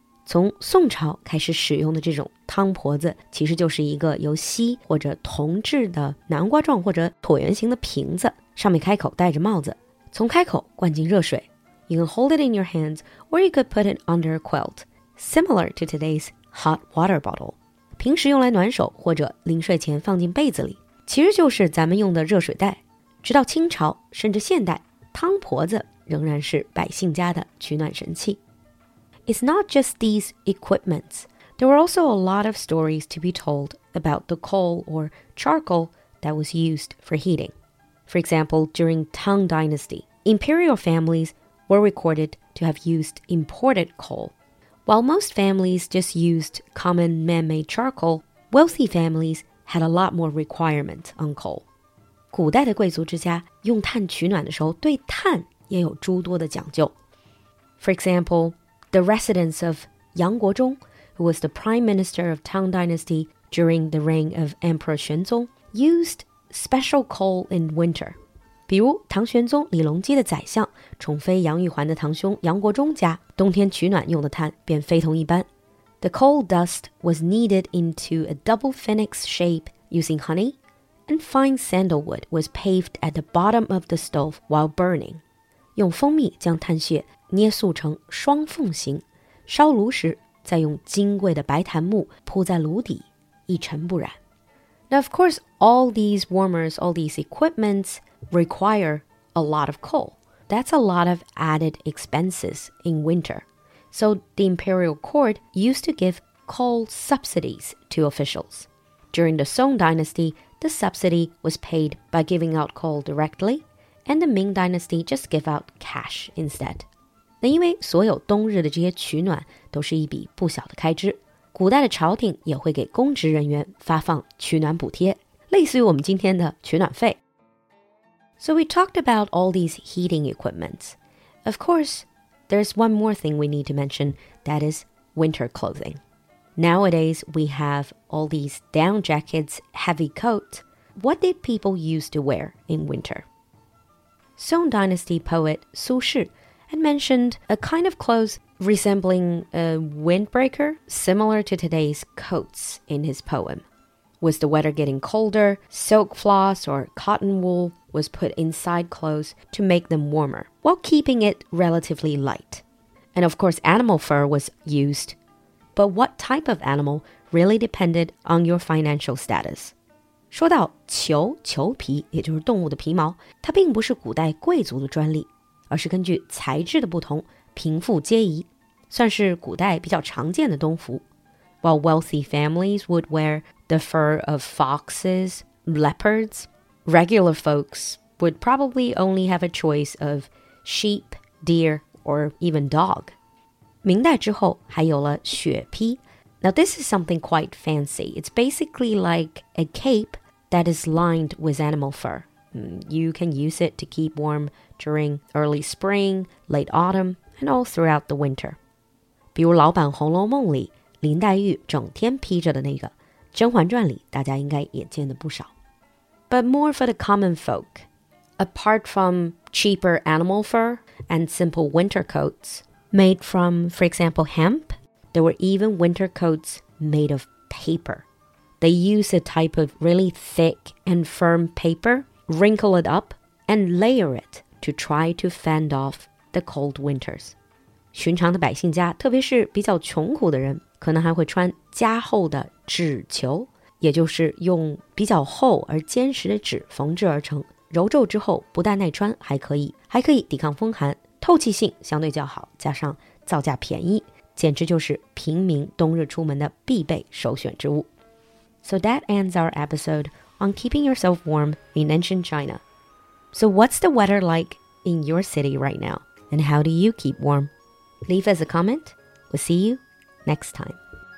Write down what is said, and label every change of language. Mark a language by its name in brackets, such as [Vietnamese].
[Chinese] 从宋朝开始使用的这种汤婆子其实就是一个由锡或者铜制的南瓜状或者椭圆形的瓶子。上面开口戴着帽子，从开口灌进热水。 [English] You can hold it in your hands, or you could put it under a quilt, similar to today's hot water bottle. [Chinese] 平时用来暖手或者临睡前放进被子里，其实就是咱们用的热水袋。直到清朝甚至现代，汤婆子仍然是百姓家的取暖神器。 [English] It's not just these equipments. There were also a lot of stories to be told about the coal or charcoal that was used for heating. For example, during Tang Dynasty, imperial families were recorded to have used imported coal. While most families just used common man-made charcoal, wealthy families had a lot more requirement on coal. [Chinese] 古代的贵族之家用炭取暖的时候对炭也有诸多的讲究。 [English] For example, the residence of Yang Guozhong, who was the prime minister of Tang Dynasty during the reign of Emperor Xuanzong, used special coal in winter. [Chinese] 比如唐玄宗李隆基的宰相，宠妃杨玉环的堂兄杨国忠家，冬天取暖用的炭便非同一般。 [English] The coal dust was kneaded into a double phoenix shape using honey, and fine sandalwood was paved at the bottom of the stove while burning. [Chinese] 用蜂蜜将炭屑捏塑成双凤形，烧炉时再用金贵的白檀木铺在炉底，一尘不染。 [English] Now, of course, all these warmers, all these equipments require a lot of coal. That's a lot of added expenses in winter. So the imperial court used to give coal subsidies to officials. During the Song Dynasty, the subsidy was paid by giving out coal directly, and the Ming Dynasty just gave out cash instead. [Chinese] 那因为所有冬日的这些取暖都是一笔不小的开支。古代的朝廷也会给公职人员发放取暖补贴，类似于我们今天的取暖费。 [English] So we talked about all these heating equipments. Of course, there's one more thing we need to mention, that is winter clothing. Nowadays, we have all these down jackets, heavy coats. What did people used to wear in winter? Song Dynasty poet Su Shi had mentioned a kind of clothes resembling a windbreaker, similar to today's coats in his poem. Was the weather getting colder, silk floss or cotton wool was put inside clothes to make them warmer, while keeping it relatively light. And of course, animal fur was used. But what type of animal really depended on your financial status? [Chinese] 说到裘，裘皮，也就是动物的皮毛，它并不是古代贵族的专利，而是根据材质的不同，贫富皆宜，算是古代比较常见的冬服。 [English] While wealthy families would wear the fur of foxes, leopards, regular folks would probably only have a choice of sheep, deer, or even dog. [Chinese] 明代之后还有了雪披。 [English] Now this is something quite fancy. It's basically like a cape that is lined with animal fur. You can use it to keep warm during early spring, late autumn,and all throughout the winter. [Chinese] 比如老版《红楼梦》里林黛玉整天披着的那个，《甄嬛传》里大家应该也见得不少。 [English] But more for the common folk, apart from cheaper animal fur and simple winter coats made from, for example, hemp, there were even winter coats made of paper. They use a type of really thick and firm paper, wrinkle it up, and layer it to try to fend off the cold winters. [Chinese] 寻常的百姓家，特别是比较穷苦的人，可能还会穿加厚的纸裘，也就是用比较厚而坚实的纸缝制而成，揉皱之后不但耐穿，还可以抵抗风寒，透气性相对较好，加上造价便宜，简直就是平民冬日出门的必备首选之物。 [English] So that ends our episode on keeping yourself warm in ancient China. So what's the weather like in your city right now? And how do you keep warm? Leave us a comment. We'll see you next time.